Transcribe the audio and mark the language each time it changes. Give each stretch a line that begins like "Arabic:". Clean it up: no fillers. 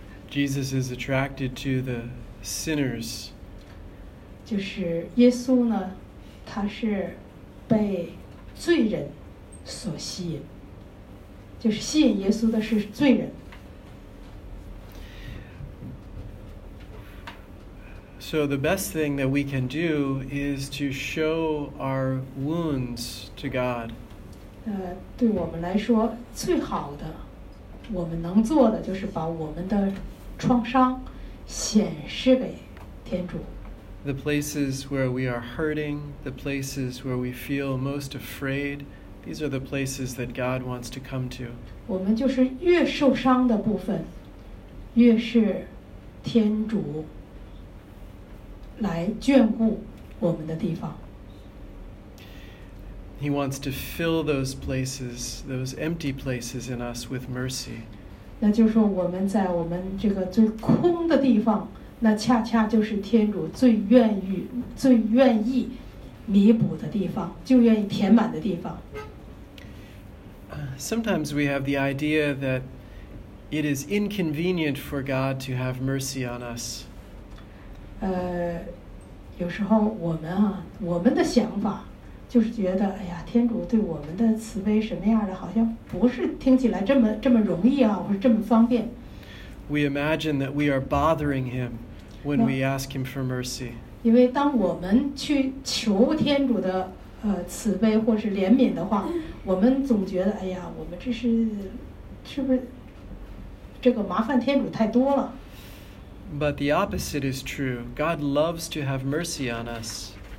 English: Jesus is attracted to the sinners.
Chinese: 就是耶稣呢，他是被罪人所吸引，就是吸引耶稣的是罪人。
English: So the best thing that we can do is to show our wounds to God.
Chinese: 对我们来说，最好的，我们能做的就是把我们的创伤显示给天主。
English: The places where we are hurting, the places where we feel most afraid, these are the places that God wants to come to.
Chinese: 我们就是越受伤的部分，越是天主来眷顾我们的地方。
English: He wants to fill those places, those empty places in us with mercy.
Chinese: 那就是说我们在我们这个最空的地方，那恰恰就是天主最愿意弥补的地方，就愿意填满的地方。
English: Sometimes we have the idea that it is inconvenient for God to have mercy on us.
Chinese: 有时候我们的想法就是觉得，哎呀，天主对我们的慈悲什么样的，好像不是听起来这么容易啊，或者这么方便。
English: We imagine that we are bothering him when we ask him for mercy.
Chinese: 因为当我们去求天主的慈悲或是怜悯的话，我们总觉得，哎呀，我们这是不是这个麻烦天主太多了。
English: But the opposite is true. God loves to have mercy on us.